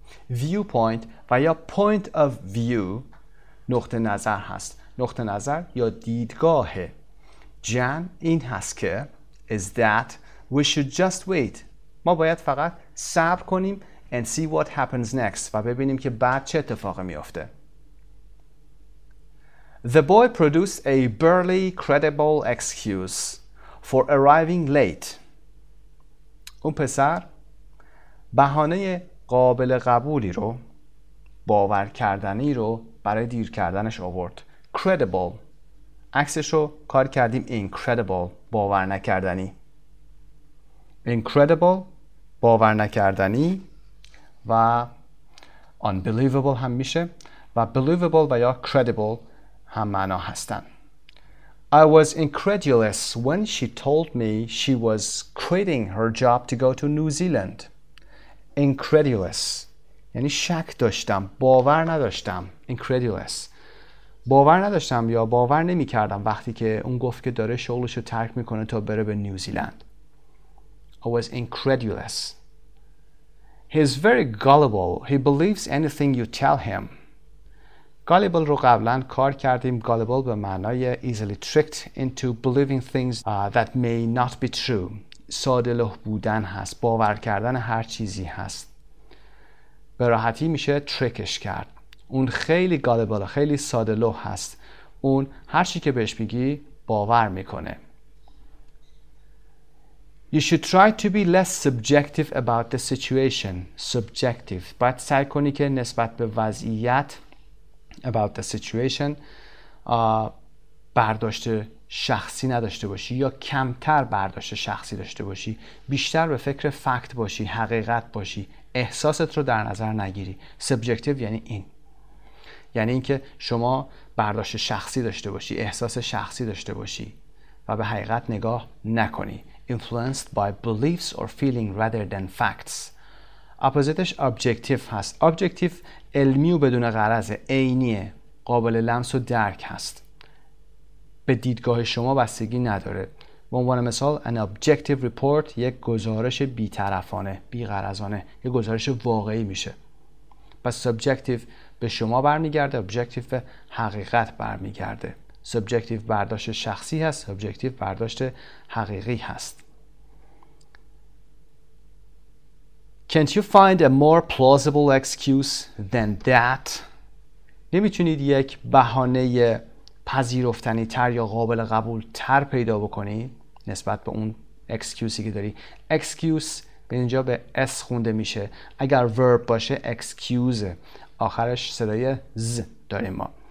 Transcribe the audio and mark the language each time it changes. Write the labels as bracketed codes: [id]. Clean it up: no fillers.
[fa] viewpoint و یا [en] point of view [fa] نقطه نظر هست نقطه نظر یا دیدگاه Jan این هست که [en] is that we should just wait [fa] ما باید فقط صبر کنیم [en] and see what happens next [fa] و ببینیم که بعد چه اتفاقی میفته. [en] The boy produced a barely credible excuse for arriving late. [fa] اون پسر بهانه قابل قبولی رو باور کردنی رو برای دیر کردنش آورد. Credible. عکسش رو کار کردیم incredible باور نکردنی. incredible، باور نکردنی و unbelievable هم میشه و believable و یا credible هم معنا هستن. [en] I was incredulous when she told me she was quitting her job to go to New Zealand. [fa] Incredulous یعنی شک داشتم، باور نداشتم. Incredulous باور نداشتم یا باور نمی کردم وقتی که اون گفت که داره شغلشو ترک میکنه تا بره به نیوزیلند. [en] I was incredulous. He's very gullible. He believes anything you tell him. [fa] Gullible رو قبلا کار کردیم. [en] Gullible [fa] به معنای [en] easily tricked into believing things that may not be true. [fa] ساده لوح بودن هست. باور کردن هر چیزی هست. به راحتی میشه trickش کرد. اون خیلی gullible، خیلی ساده لوح هست. اون هر چی که بهش میگی باور میکنه. [en] You should try to be less subjective about the situation. Subjective. [fa] باید سعی کنی که نسبت به وضعیت [en] about the situation [fa] برداشت شخصی نداشته باشی یا کمتر برداشت شخصی داشته باشی. بیشتر به فکر فکت باشی، حقیقت باشی. احساست رو در نظر نگیری. Subjective یعنی این. یعنی این که شما برداشت شخصی داشته باشی، احساس شخصی داشته باشی و به حقیقت نگاه نکنی. [en] Influenced by beliefs or feeling rather than facts. [fa] اپوزیتش objective هست. Objective علمی و بدون غرض، عینیه، قابل لمس و درک هست. به دیدگاه شما بستگی نداره. به عنوان مثال [en] an objective report [fa] یک گزارش بی‌طرفانه، بی‌غرضانه، یک گزارش واقعی میشه. پس subjective به شما برمیگرده، objective به حقیقت برمیگرده. Subjective برداشت شخصی هست، objective برداشت حقیقی هست. [en] Can't you find a more plausible excuse than that? [fa] نمیتونید یک بهانه پذیرفتنی تر یا قابل قبول تر پیدا بکنی نسبت به اون excuse که داری؟ Excuse به اینجا به S خونده میشه. اگر verb باشه excuse، آخرش صدای Z داریم ما.